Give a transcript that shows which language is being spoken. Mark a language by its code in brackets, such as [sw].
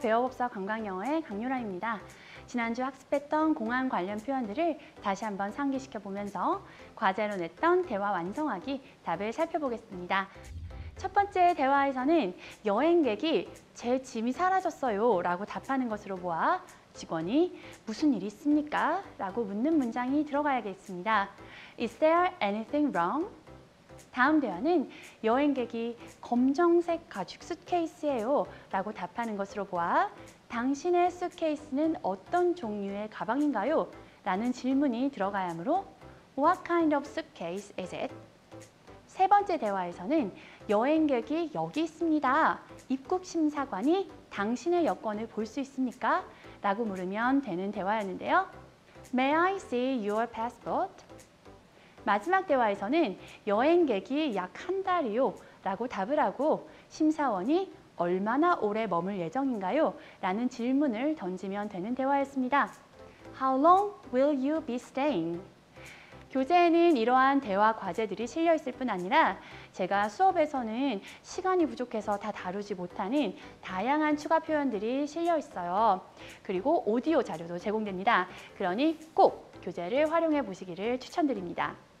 [ko] 배워봅사 관광영어의 강유라입니다. 지난주 학습했던 공항 관련 표현들을 다시 한번 상기시켜보면서 과제로 냈던 대화 완성하기 답을 살펴보겠습니다. 첫 번째 대화에서는 여행객이 제 짐이 사라졌어요 라고 답하는 것으로 보아 직원이 무슨 일이 있습니까? 라고 묻는 문장이 들어가야겠습니다. [en] Is there anything wrong? [ko] 다음 대화는 여행객이 검정색 가죽 수트케이스예요 라고 답하는 것으로 보아 당신의 수트케이스는 어떤 종류의 가방인가요? 라는 질문이 들어가야 하므로 [en] What kind of suitcase is it? [ko] 세 번째 대화에서는 여행객이 여기 있습니다. 입국 심사관이 당신의 여권을 볼 수 있습니까? 라고 물으면 되는 대화였는데요. [en] May I see your passport? [ko] 마지막 대화에서는 여행객이 약 한 달이요 라고 답을 하고 심사원이 얼마나 오래 머물 예정인가요? 라는 질문을 던지면 되는 대화였습니다. [en] How long will you be staying? [ko] 교재에는 이러한 대화 과제들이 실려 있을 뿐 아니라 제가 수업에서는 시간이 부족해서 다 다루지 못하는 다양한 추가 표현들이 실려 있어요. 그리고 오디오 자료도 제공됩니다. 그러니 꼭 교재를 활용해 보시기를 추천드립니다.